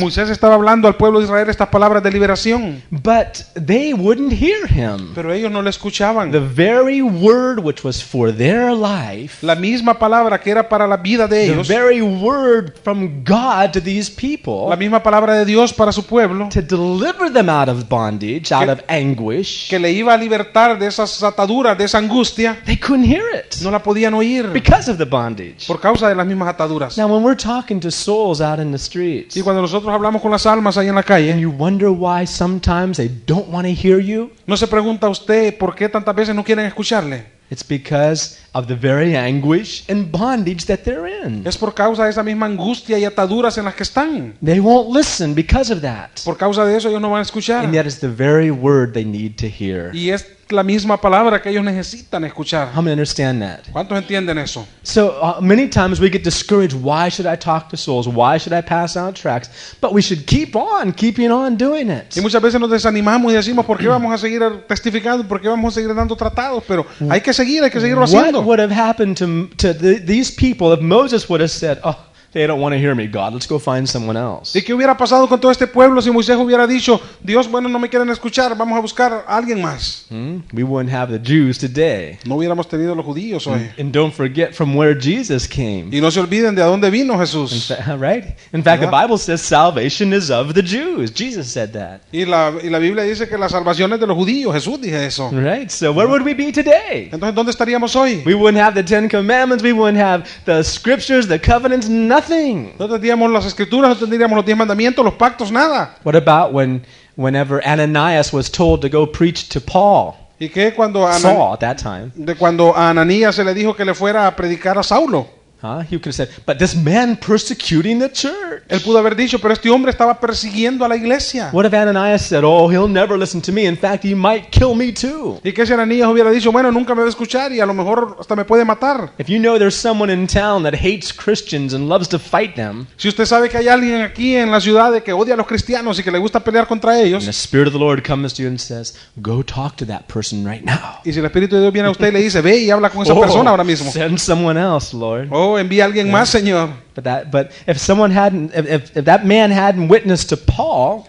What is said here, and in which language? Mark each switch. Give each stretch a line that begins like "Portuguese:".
Spanish: Moisés estaba hablando al pueblo de Israel estas palabras de liberación.
English: But they wouldn't hear him.
Spanish: Pero ellos no le escuchaban.
English: The very word which was for their life.
Spanish: La misma palabra que era para la vida de ellos.
English: The very word from God to these people.
Spanish: La misma palabra de Dios para su pueblo.
English: To deliver them out of bondage, out of anguish.
Spanish: Que le iba a libertar de esas ataduras, de esa angustia.
English: They couldn't hear it.
Spanish: No la podían oír.
English: Because of the bondage.
Spanish: Por causa de las mismas ataduras.
English: Now, when we're talking to souls out in the streets,
Spanish: y cuando nosotros hablamos con las almas ahí en la calle,
English: and you wonder why sometimes they don't want to hear you,
Spanish: ¿no se pregunta usted por qué tantas veces no quieren escucharle?
English: It's because of the very anguish and bondage that they're in.
Spanish: Es por causa de esa misma angustia y ataduras en las que están.
English: They won't listen because of that.
Spanish: Por causa de eso ellos no van a escuchar.
English: And yet it's the very word they need to hear.
Spanish: Y es la misma palabra que ellos necesitan escuchar.
English: How many understand that?
Spanish: ¿Cuántos entienden eso?
English: So many times we get discouraged. Why should I talk to souls? Why should I pass out tracts? But we should keep on, keeping on doing it.
Spanish: Y muchas veces nos desanimamos y decimos, ¿por qué vamos a seguir testificando? ¿Por qué vamos a seguir dando tratados? Pero hay que seguirlo haciendo.
English: What would have happened to these people if Moses would have said, oh, they don't want to hear me, God, let's go find someone else?
Spanish: ¿Y qué hubiera pasado con todo este pueblo si Moisés hubiera dicho, Dios, bueno, no me quieren escuchar, vamos a buscar a alguien más?
English: We wouldn't have the Jews today.
Spanish: No hubiéramos tenido los judíos hoy.
English: And don't forget from where Jesus came.
Spanish: Y no se olviden de a dónde vino Jesús.
English: Right? In fact, the Bible says salvation is of the Jews. Jesus said that.
Spanish: Y la Biblia dice que la salvación es de los judíos. Jesús dijo eso.
English: Right? So where would we be today?
Spanish: Entonces, ¿dónde estaríamos hoy?
English: We wouldn't have the Ten Commandments, we wouldn't have the Scriptures, the Covenants, nothing.
Spanish: No tendríamos las escrituras, no tendríamos los diez mandamientos, los pactos, nada.
English: What about whenever Ananias was told to go preach to Paul?
Spanish: ¿Y qué cuando
English: Saul, at that time.
Spanish: De cuando a Ananías se le dijo que le fuera a predicar a Saulo.
English: He could have said, but this man persecuting the church.
Spanish: Él pudo haber dicho, pero este hombre estaba persiguiendo a la iglesia.
English: What if Ananias said, oh, he'll never listen to me. In fact, he might kill me too.
Spanish: ¿Y qué si Ananías hubiera dicho, bueno, nunca me va a escuchar y a lo mejor hasta me puede matar?
English: If you know there's someone in town that hates Christians and loves to fight them.
Spanish: Si usted sabe que hay alguien aquí en la ciudad que odia a los cristianos y que le gusta pelear contra ellos.
English: And the Spirit of the Lord comes to you and says, go talk to that person right now.
Spanish: Y si el Espíritu de Dios viene a usted y le dice, ve y habla con esa persona ahora mismo.
English: Send someone else, Lord. Oh,
Spanish: envíe a alguien yeah. más, Señor.
English: But that, but if someone hadn't, if that man hadn't witnessed to Paul,